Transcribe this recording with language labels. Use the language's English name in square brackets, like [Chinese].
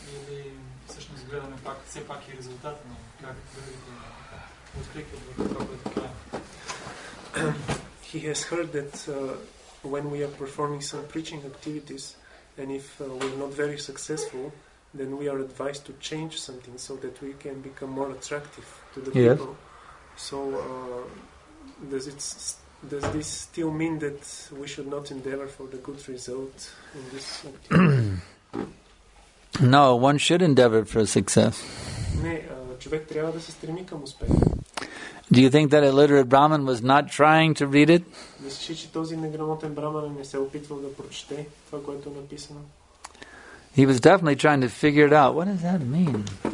[Bulgarian] Или всъщност гледаме пак, все пак и резултата, но как другите откликват в това, което правим? [English] He has heard that when we are performing some preaching activities and if we're not very successful, then we are advised to change something so that we can become more attractive to the yes. people. So does this still mean that we should not endeavor for the good result in this activity? No, one should endeavor for success. [Bulgarian] Не, човек трябва да се стреми към успех. [English] Do you think that illiterate Brahman was not trying to read it? [Bulgarian] Мислиш, че този неграмотен Брахман не се опитвал да прочете това, което е написано? [English] He was definitely trying to figure it out. What does that mean?